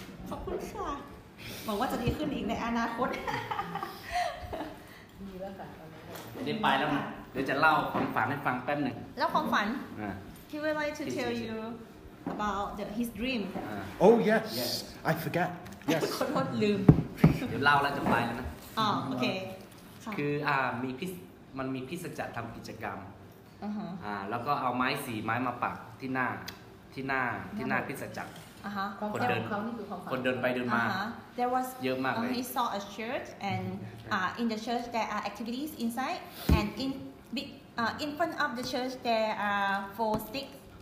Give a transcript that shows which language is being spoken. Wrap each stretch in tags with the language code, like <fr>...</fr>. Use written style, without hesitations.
<th>ขอบคุณค่ะหวังว่าจะดีขึ้นอีกในอนาคต ดีแล้วค่ะ เดี๋ยวไปแล้วนะเดี๋ยวจะเล่าความฝันให้ฟังแป๊บหนึ่ง แล้วความฝัน</th> <en>He would like to tell you about his dream Oh yes I forget Yes</en> <th>ขอโทษลืม เดี๋ยวเล่าแล้วจะไปแล้วนะ อ๋อโอเค คือมีพี่สัจจะทำกิจกรรมแล้วก็เอาไม้สีไม้มาปักที่หน้าที่หน้าพิศจักร uh-huh. คนเดินคนเดินไปเดินมา uh-huh.</th> <en>There was</en> <th>เยอะมากเลย</th> <en>He saw a church and in the church there are activities inside and in front of the church there are four sticks</en>